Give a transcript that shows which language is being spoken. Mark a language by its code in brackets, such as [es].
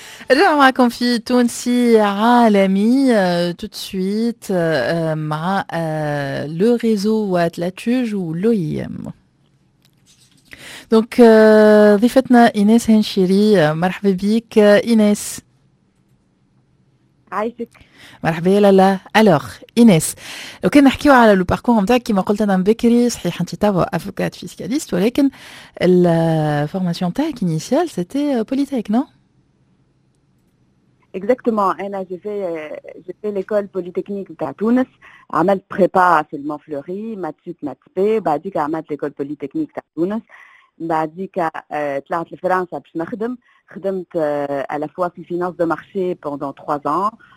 [ar] رجع معكم في تونسي عالمي [fr] tout de suite [ar] مع le réseau Ouad Latuj ou l'OIM. دونك ضيفتنا إيناس هنشيري، مرحبا بك إيناس. عايشك. مرحبا يا لالا. الوغ إيناس، لو كان نحكيو على لو باركور نتاعك، كيما قلت انا بكري، صحيح انت تو افوكات فيسكاليست، ولكن الفورماسيون تاعك انيسيال سيتي بوليتيك نو؟ [fr] Exactement. Là, j'ai fait l'école polytechnique de Tunis. J'ai fait prépa à Filmont Fleury, maths, maths, bah, j'ai fait l'école polytechnique de Tunis. J'ai fait l'école de France à Pchmerdem. J'ai fait à la fois les finances de marché pendant 3 ans.